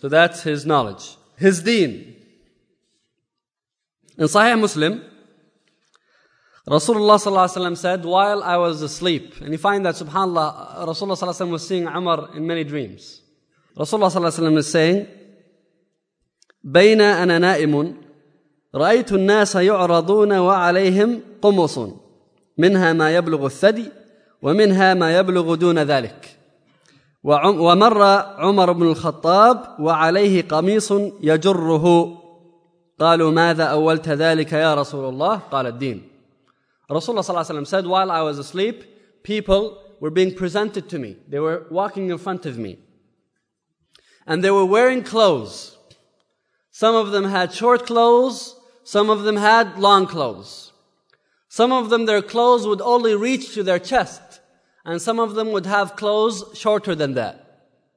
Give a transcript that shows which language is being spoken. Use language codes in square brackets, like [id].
[en] So that's his knowledge, his deen. In Sahih Muslim, Rasulullah sallallahu alaihi wasallam said, "While I was asleep," and you find that subhanAllah, Rasulullah sallallahu alaihi wasallam was seeing Umar in many dreams. [ar] Rasulullah sallallahu alaihi wasallam [en] is saying, [ar] بين أنا نائم رأيت الناس يعرضون وعليهم قمص منها ما يبلغ الثدي ومنها ما يبلغ دون ذلك ومر عمر بن الخطاب وعليه قميص يجره قالوا ماذا أولت ذلك يا رسول الله قال الدين. [en] رسول الله صلى الله عليه وسلم said, while I was asleep, people were being presented to me. They were walking in front of me. And they were wearing clothes. Some of them had short clothes, some of them had long clothes. Some of them, their clothes would only reach to their chest, and some of them would have clothes shorter than that.